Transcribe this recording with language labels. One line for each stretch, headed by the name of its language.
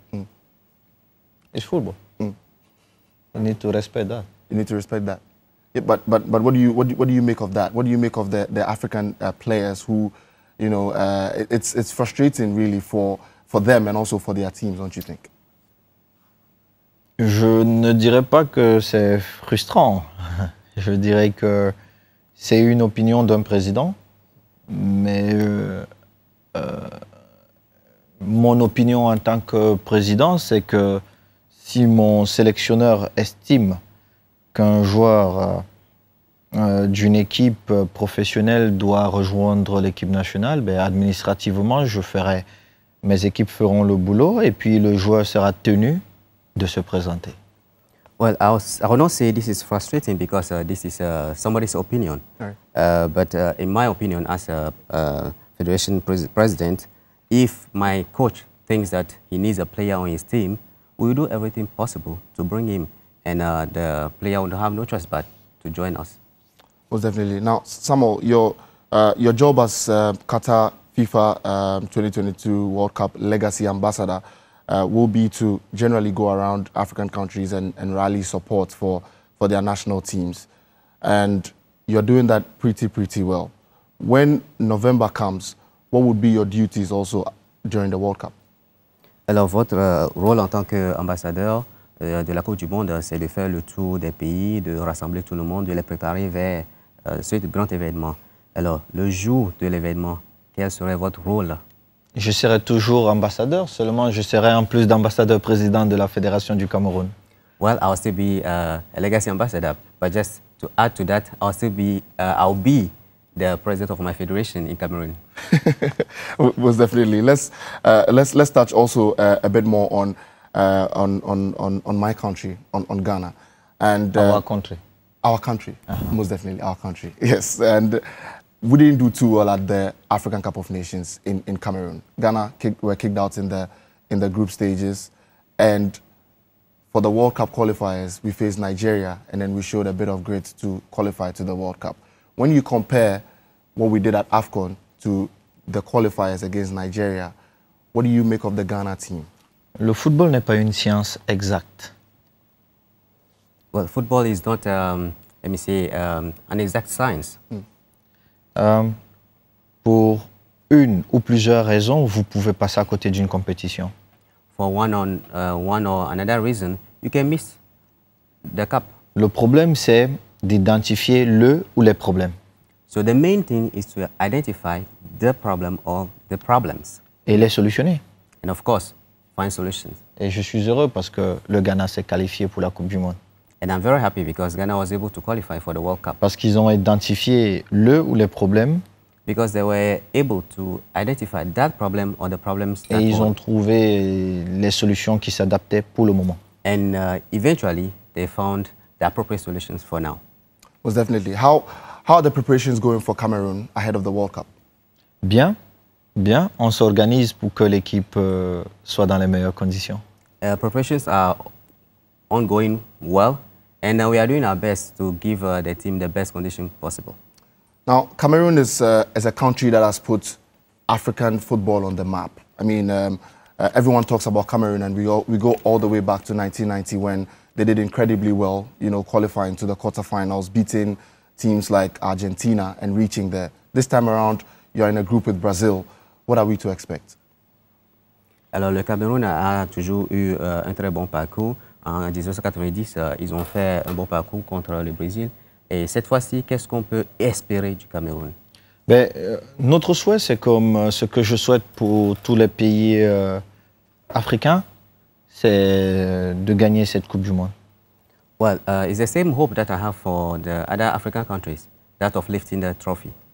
English: Mm. It's football. Mm. You need to respect that. You need to respect that. Yeah, but what do you make of that? What do you make of the African players who, you know, it's frustrating really for them and also for their teams, don't you think?
French: Je ne dirais pas que c'est frustrant. Je dirais que c'est une opinion d'un président, mais mon opinion en tant que président, c'est que si mon sélectionneur estime qu'un joueur d'une équipe professionnelle doit rejoindre l'équipe nationale, ben administrativement, mes équipes feront le boulot et puis le joueur sera tenu de se présenter.
English: Well, I would not say this is frustrating because this is somebody's opinion. Right. But in my opinion, as a federation president, if my coach thinks that he needs a player on his team, we will do everything possible to bring him, and the player will have no choice but to join us. Most definitely. Now, Samuel, your job as Qatar FIFA 2022 World Cup legacy ambassador will be to generally go around African countries and rally support for their national teams. And you're doing that pretty, pretty well. When November comes, what would be your duties also during the World Cup?
French: Alors, votre rôle en tant qu'ambassadeur de la Coupe du Monde, c'est de faire le tour des pays, de rassembler tout le monde, de les préparer vers ce grand événement. Alors, le jour de l'événement, quel serait votre rôle? Je serai toujours ambassadeur, seulement je serai en plus d'ambassadeur président de la Fédération du Cameroun.
English: Well, I'll still be a legacy ambassador, but just to add to that, I'll be the president of my federation in Cameroon. Most definitely. Let's touch also a bit more on my country, on Ghana, and our country. Our country, uh-huh. Most definitely our country. Yes, and we didn't do too well at the African Cup of Nations in Cameroon. Ghana were kicked out in the group stages, and for the World Cup qualifiers, we faced Nigeria, and then we showed a bit of grit to qualify to the World Cup. When you compare what we did at AFCON to the qualifiers against Nigeria, what do you make of the Ghana team?
French: Le football n'est pas une science exacte.
English: Well, football is not, an exact science. Mm.
French: Pour une ou plusieurs raisons, vous pouvez passer à côté d'une compétition.
English: For one or another reason, you can miss the cup.
French: Le problème, c'est d'identifier le ou les problèmes.
English: So the main thing is to identify the problem or the problems.
French: Et les solutionner.
English: And of course, find solutions.
French: Et je suis heureux parce que le Ghana s'est qualifié pour la Coupe du Monde.
English: And I'm very happy because Ghana was able to qualify for the World Cup.
French: Parce qu'ils ont identifié le ou les problèmes.
English: Because they were able to identify that problem or the problems.
French: Et ils ont trouvé les solutions qui s'adaptaient pour le moment.
English: And eventually, they found the appropriate solutions for now. Most definitely. How are the preparations going for Cameroon ahead of the World Cup?
French: Bien, bien. On s'organise pour que l'équipe soit dans les meilleures conditions.
English: Preparations are ongoing well, and we are doing our best to give the team the best condition possible. Now, Cameroon is a country that has put African football on the map. I mean, everyone talks about Cameroon, and we go all the way back to 1990 when they did incredibly well, you know, qualifying to the quarterfinals, beating teams like Argentina and reaching there. This time around, you're in a group with Brazil. What are we to expect?
French: Alors, le Cameroun a toujours eu un très bon parcours. En 1990, ils ont fait un bon parcours contre le Brésil. Et cette fois-ci, qu'est-ce qu'on peut espérer du Cameroun? Ben, notre souhait, c'est comme ce que je souhaite pour tous les pays africains, c'est de gagner cette Coupe du Monde.
English: Well, it's the same hope that I have for the other African countries, that of lifting the trophy.